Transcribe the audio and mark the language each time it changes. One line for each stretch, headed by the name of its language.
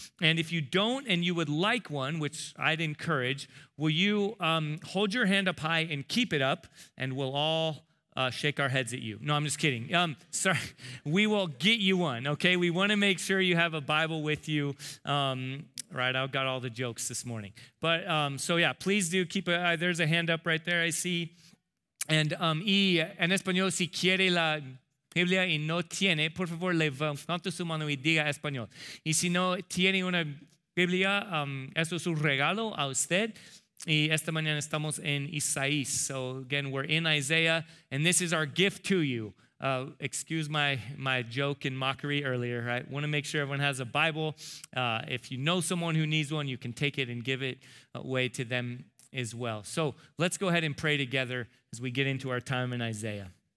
English: And if you don't and you would like one, which I'd encourage, will you hold your hand up high and keep it up, and we'll all shake our heads at you. No, I'm just kidding. Sorry. We will get you one, okay? We want to make sure you have a Bible with you. Right, I've got all the jokes this morning. But so yeah, please do keep a, there's a hand up right there, I see.
Spanish: And en español, si quiere la Biblia y no tiene, por favor, levante su mano y diga español. Y si no tiene una Biblia, eso es un regalo a usted. Y esta mañana estamos en Isaías.
English: So again, we're in Isaiah, and this is our gift to you. Excuse my joke and mockery earlier, right? Want to make sure everyone has a Bible. If you know someone who needs one, you can take it and give it away to them as well. So let's go ahead and pray together as we get into our time in Isaiah.